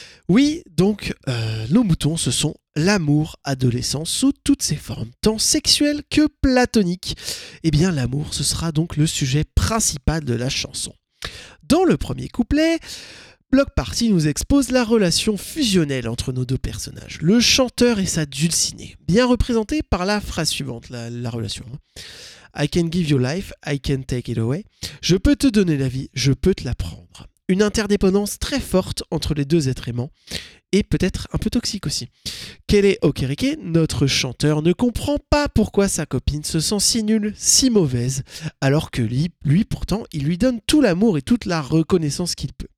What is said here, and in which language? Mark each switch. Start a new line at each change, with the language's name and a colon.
French: Oui, donc, nos moutons, ce sont l'amour adolescent sous toutes ses formes, tant sexuelles que platoniques. Eh bien, l'amour, ce sera donc le sujet principal de la chanson. Dans le premier couplet, Bloc Party nous expose la relation fusionnelle entre nos deux personnages, le chanteur et sa dulcinée, bien représentée par la phrase suivante, la relation.
English: « I can give you life, I can take it away.
French: Je peux te donner la vie, je peux te la prendre. » Une interdépendance très forte entre les deux êtres aimants, et peut-être un peu toxique aussi. Quel est Okereke ? Notre chanteur ne comprend pas pourquoi sa copine se sent si nulle, si mauvaise, alors que lui, pourtant, il lui donne tout l'amour et toute la reconnaissance qu'il peut.